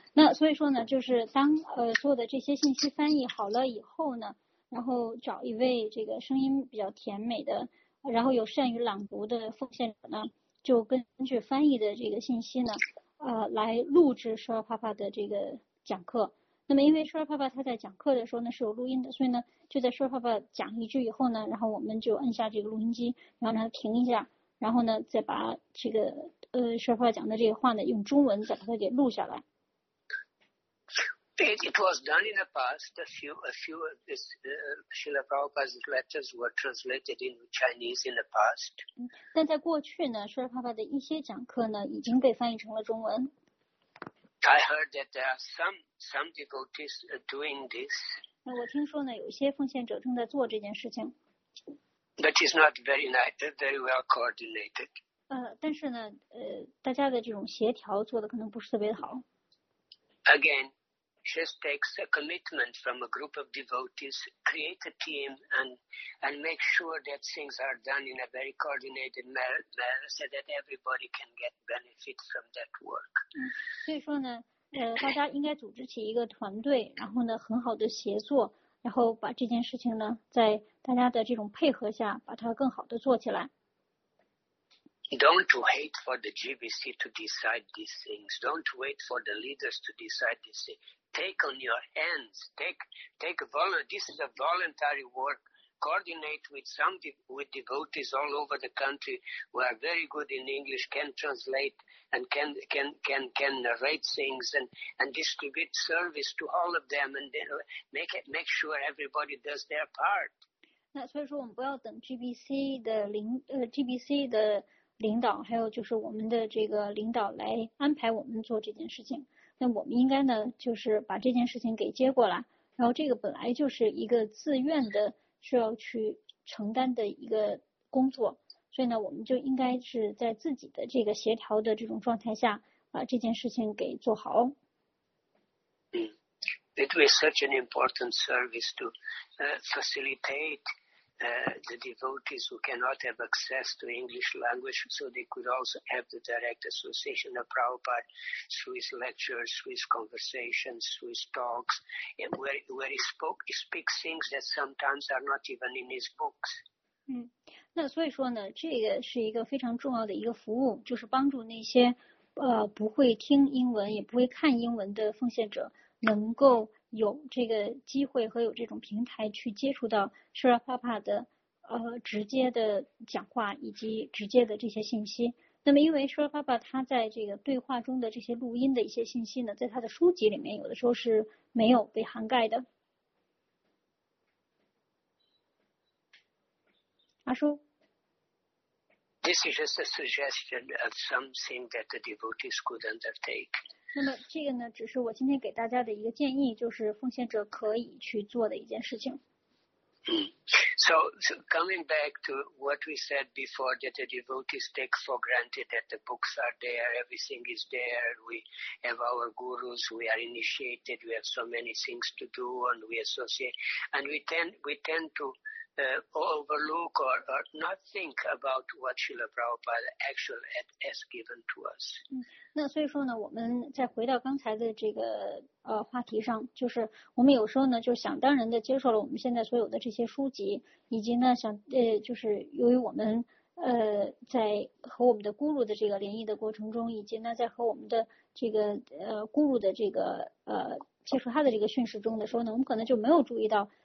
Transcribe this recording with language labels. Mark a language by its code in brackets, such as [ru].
[zh] 那所以说呢，就是当所有的这些信息翻译好了以后呢，然后找一位这个声音比较甜美的，然后有善于朗读的奉献者呢，就根据翻译的这个信息呢，来录制舒尔帕帕的这个讲课。那么因为舒尔帕帕他在讲课的时候呢是有录音的，所以呢就在舒尔帕帕讲一句以后呢，然后我们就按下这个录音机，然后让它停一下，然后呢再把这个。说话讲的这个话呢用中文讲的给录下来。 [en] It was done in the past, a few of this, Srila Prabhupada's letters were translated into Chinese in the past. [zh] 但在过去呢说话话的一些讲课呢已经被翻译成了中文。 [en] I heard that there are some devotees doing this. [zh] 那我听说呢有些奉献者正在做这件事情。 [en] But it's not very nice, very well coordinated. [zh] 但是呢，大家的这种协调做的可能不是特别好。 [en] Again, just takes a commitment from a group of devotees, create a team, and make sure that things are done in a very coordinated manner, so that everybody can get benefit from that work. [zh] 所以说呢，大家应该组织起一个团队，然后呢，很好的协作，然后把这件事情呢，在大家的这种配合下，把它更好的做起来。 [en] Don't wait for the GBC to decide these things. Don't wait for the leaders to decide these things. Take on your hands. Take this is a voluntary work. Coordinate with devotees all over the country who are very good in English, can translate and can narrate things and distribute service to all of them and then make sure everybody does their part. [zh] 那所以说我们不要等 GBC 的领导还有就是我们的这个领导来安排我们做这件事情，那我们应该呢就是把这件事情给接过来，然后这个本来就是一个自愿的需要去承担的一个工作，所以呢，我们就应该是在自己的这个协调的这种状态下，把这件事情给做好。 [en] It was such an important service to facilitate the devotees who cannot have access to English language, so they could also have the direct association of Prabhupada through his lectures, through his conversations, through his talks, and where he speaks things that sometimes are not even in his books. [zh] 嗯，那所以说呢，这个是一个非常重要的一个服务，就是帮助那些不会听英文也不会看英文的奉献者。能够有这个机会和有这种平台去接触到舍拉帕帕的直接的讲话以及直接的这些信息。那么因为舍拉帕帕他在这个对话中的这些录音的一些信息呢，在他的书籍里面有的时候是没有被涵盖的。阿叔。 [en] This is just a suggestion of something that the devotees could undertake. [zh] 那么这个呢，只是我今天给大家的一个建议，就是奉献者可以去做的一件事情。 [en] So coming back to what we said before, that the devotees take for granted that the books are there, everything is there, we have our gurus, we are initiated, we have so many things to do, and we associate, and we tend to overlook or not think about what Srila Prabhupada actually has given to us. [zh] 嗯，那所以说呢，我们再回到刚才的这个话题上，就是我们有时候呢就想当然的接受了我们现在所有的这些书籍，以及呢想就是由于我们在和我们的guru的这个联谊的过程中，以及呢在和我们的这个guru的这个接触他的这个训示中的时候呢，我们可能就没有注意到。